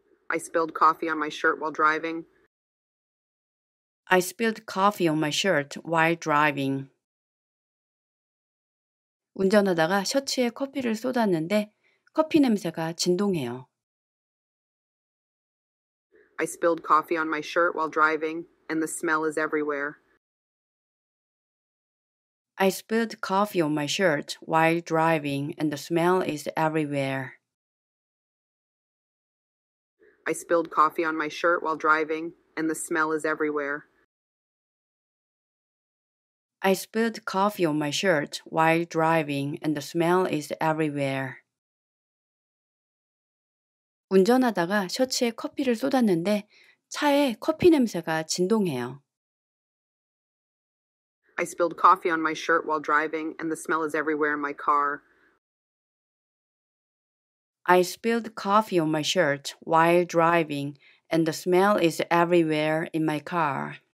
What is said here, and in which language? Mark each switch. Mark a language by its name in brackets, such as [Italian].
[English] I spilled coffee on my shirt while driving. I spilled coffee on my shirt while driving. [Korean] 운전하다가 셔츠에 커피를 쏟았는데 커피 냄새가 진동해요. [English] I spilled coffee on my shirt while driving, and the smell is everywhere. I spilled coffee on my shirt while driving, and the smell is everywhere. I spilled coffee on my shirt while driving, and the smell is everywhere. I spilled coffee on my shirt while driving, and the smell is everywhere. [Korean] 운전하다가 셔츠에 커피를 쏟았는데 차에 커피 냄새가 진동해요. [English] I spilled coffee on my shirt while driving and the smell is everywhere in my car. I spilled coffee on my shirt while driving and the smell is everywhere in my car.